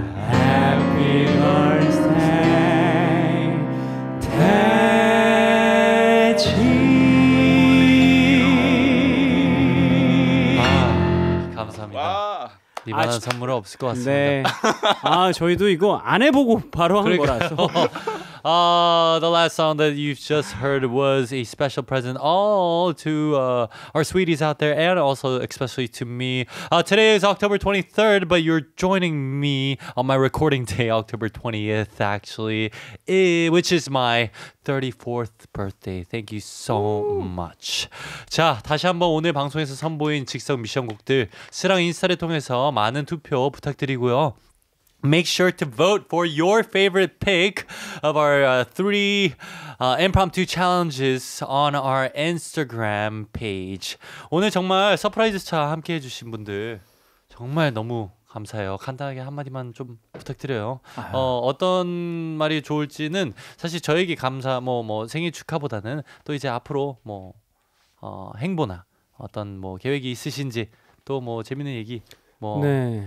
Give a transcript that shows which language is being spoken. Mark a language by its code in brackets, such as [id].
[en] Happy birthday 태진. [ko] 아, 감사합니다. 와. 이만한 아, 선물은 없을 것 같습니다. 네. 아, 저희도 이거 안 해보고 바로 한 그러니까요. 거라서. [en] The last song that you've just heard was a special present all to our sweeties out there, and also especially to me. Today is October 23rd, but you're joining me on my recording day, October 20th, actually, which is my 34th birthday. Thank you so much. [ko] 자, 다시 한번 오늘 방송에서 선보인 즉석 미션 곡들, 스랑 인스타를 통해서 많은 투표 부탁드리고요. [en] Make sure to vote for your favorite pick of our three impromptu challenges on our Instagram page. [ko] 오늘 정말 서프라이즈차 함께 해주신 분들 정말 너무 감사해요. 간단하게 한마디만 좀 부탁드려요. 어떤 말이 좋을지는 사실 저에게 감사 뭐 생일 축하보다는 또 이제 앞으로 뭐 행보나 어떤 뭐 계획이 있으신지 또 뭐 재밌는 얘기 뭐 네.